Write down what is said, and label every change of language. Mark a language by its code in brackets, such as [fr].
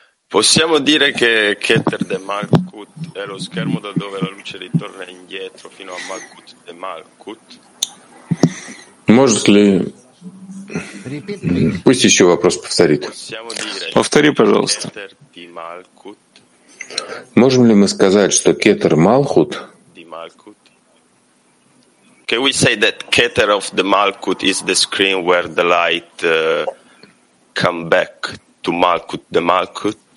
[it] Possiamo dire che Keter de Malkut è lo schermo da dove la luce ritorna indietro fino a Malkut de Malkut? [ru] Может ли? Пусть еще вопрос повторит. Повтори, пожалуйста. Можем ли мы сказать, что Кетер Малхут [en] Can we say that Keter of the Malkut is the screen where the light come back to Malkut, the Malkut?